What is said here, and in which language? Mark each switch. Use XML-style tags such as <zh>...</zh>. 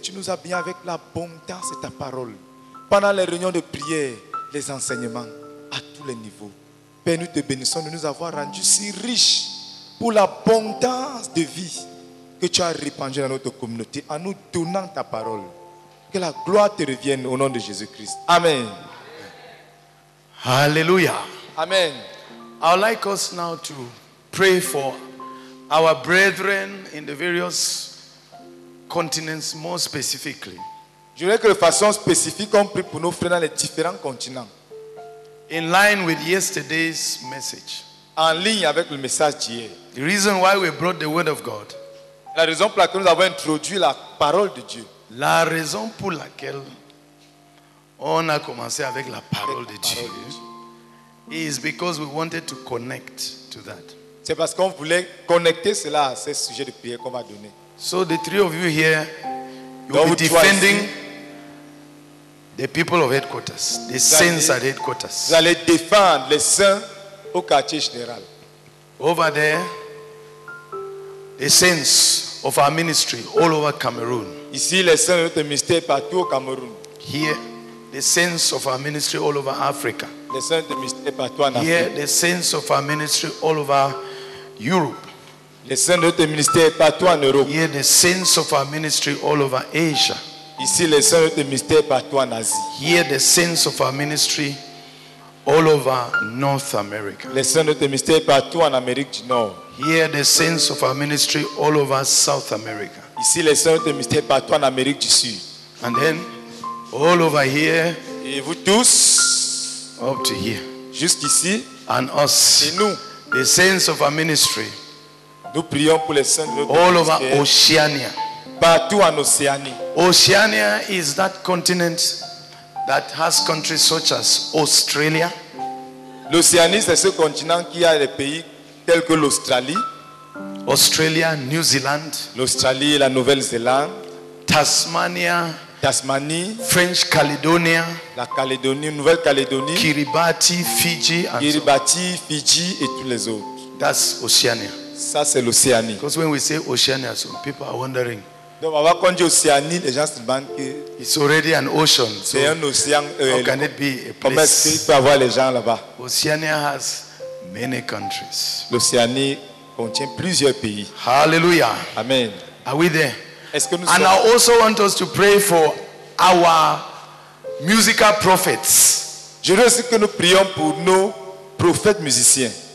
<fr>Tu nous as bien avec l'abondance de ta parole. Pendant les réunions de prière, les enseignements, à tous les niveaux. Père, nous te bénissons de nous avoir rendus si riches pour l'abondance de vie que tu as répandue dans notre communauté en nous donnant ta parole. Que la gloire te revienne au nom de Jésus-Christ. Amen. Alléluia. Amen.</fr> <en>I would like us now to pray for our brethren in the various continents more specifically.</en> <fr>Je voudrais que de façon spécifique, on prie pour nos frères dans les différents continents.</fr> <en>In line with yesterday's message.</en> <fr>En ligne avec le message d'hier.</fr> <en>The reason why we brought the word of God.</en> <fr>La raison pour laquelle nous avons introduit la parole de Dieu. La raison pour laquelle on a commencé avec la parole de Dieu.</fr> <en>Is because we wanted to connect to that.</en> <fr>C'est parce qu'on voulait connecter cela à ce sujet de prière qu'on va donner.</fr> <en>So the three of you here, you will be defending the people of headquarters, the saints at headquarters.</en> <fr>Vous allez défendre les saints au quartier général.</fr> <en>Over there, the saints of our ministry all over Cameroon.</en> <fr>Ici, les saints de notre ministère partout au Cameroun.</fr> <en>Here, the saints of our ministry all over Africa.</en> <fr>Les saints de ministère partout en</fr> <en>Here,</en> <fr>Afrique.</fr> <en>The saints of our ministry all over Europe.</en> <fr>Les saints de notre ministère partout en Europe.</fr> <en>Here, the saints of our ministry all over Asia.</en> <fr>Ici, les saints de notre ministère partout en Asie.</fr> <en>Here, the saints of our ministry all over North America.</en> <fr>Les saints de notre ministère partout en Amérique du Nord.</fr> <en>Here, the saints of our ministry all over South America.</en> <fr>Ici, les saints de notre ministère partout en Amérique du Sud.</fr> <en>And then, all over here.</en> <fr>Et vous tous.</fr> <en>Up to here.</en> <fr>Jusqu'ici.</fr> <en>And us.</en> <fr>Et nous.</fr> <en>The saints of our ministry.</en> <fr>Nous prions pour les saints de notre ministère.</fr> <en>All over Oceania.</en> <fr>Partout en Océanie.</fr> <en>Oceania is that continent that has countries such as Australia.</en> <fr>L'Océanie, c'est ce continent qui a des pays tels que l'Australie.</fr> <en>Australia, New Zealand.</en> <fr>L'Australie, la Nouvelle-Zélande.</fr> <en>Tasmania.</en> <fr>Tasmanie.</fr> <en>French Caledonia.</en> <fr>La Calédonie, Nouvelle-Calédonie.</fr> <en>Kiribati, Fiji.</en> <fr>Kiribati, Fiji et tous les autres.</fr> <en>That's Oceania.</en> <fr>Ça, c'est l'Océanie.</fr> <en>Because when we say Oceania, some people are wondering.</en> <fr>Donc, avant qu'on dise Océanie, les gens se demandent que.</fr> <en>It's already an ocean. So</en> <fr>c'est un océan.</fr> <en>How can it be a place?</en> <fr>Comment est-ce qu'il peut avoir les gens là-bas?</fr> <en>Oceania has many countries.</en> <fr>L'Océanie contient plusieurs pays.</fr> <en>Hallelujah. Amen. Are we there?</en> <fr>Est-ce que nous</fr> <en>And</en> <fr>sommes?</fr> <en>I also want us to pray for our musical prophets.</en> <fr>Je veux aussi que nous prions pour nos prophètes musiciens.</fr>